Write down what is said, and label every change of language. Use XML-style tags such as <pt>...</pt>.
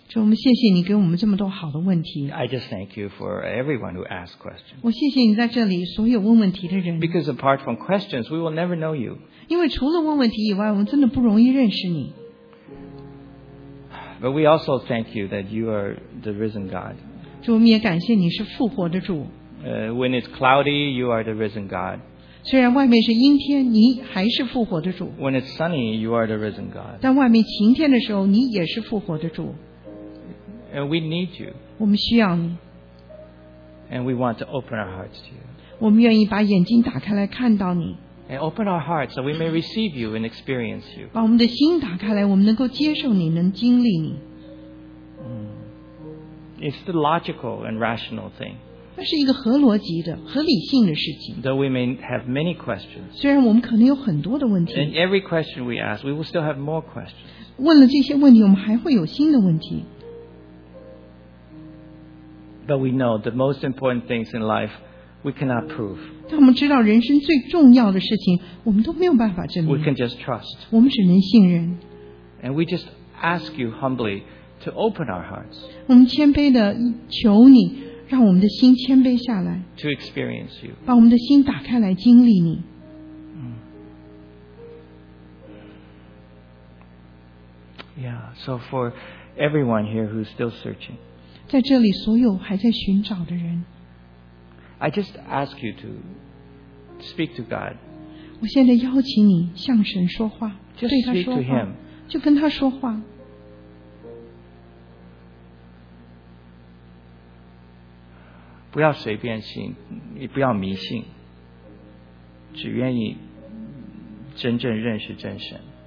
<zh>主，我们谢谢你给我们这么多好的问题。</zh> <en>I just thank you for everyone who asks questions.</en> <zh>我谢谢你在这里所有问问题的人。</zh> <en>Because apart from questions, we will never know you.</en> <zh>因为除了问问题以外，我们真的不容易认识你。</zh> <en>But we also thank you that you are the risen God.</en> <zh>主，我们也感谢你是复活的主。</zh> <en>When it's cloudy, you are the risen God.</en> <zh>虽然外面是阴天，你还是复活的主。</zh> <en>When it's sunny, you are the risen God.</en> <zh>但外面晴天的时候，你也是复活的主。</zh> <en>And we need you.</en> <zh>我们需要你。</zh> <en>And we want to open our hearts to you.</en> <zh>我们愿意把眼睛打开来看到你。</zh> <en>And open our hearts so we may receive you and experience you.</en> <zh>把我们的心打开来，我们能够接受你，能经历你。</zh> <en>It's the logical and rational thing.</en> <zh>那是一个合逻辑的、合理性的事情。</zh> <en>Though we may have many questions,</en> <zh>虽然我们可能有很多的问题。</zh> <en>And every question we ask, we will still have more questions.</en> <zh>问了这些问题，我们还会有新的问题。</zh> <en>But we know the most important things in life, we cannot prove.</en> <zh>但我们知道人生最重要的事情，我们都没有办法证明。</zh> <en>We can just trust.</en> <zh>我们只能信任。</zh> <en>And we just ask you humbly to open our hearts.</en> <zh>我们谦卑地求你。让我们的心谦卑下来</zh> <en>to experience you.</en> <zh>把我们的心打开来经历你、</zh> <en>Yeah, so for everyone here who's still searching,</en> <zh>在这里所有还在寻找的人</zh> <en>I just ask you to speak to God.</en> <zh>我现在邀请你向神说话</zh> <en>Just speak to him.</en> <zh>就跟他说话不要随便信，你不要迷信，只愿意真正认识真神。</zh>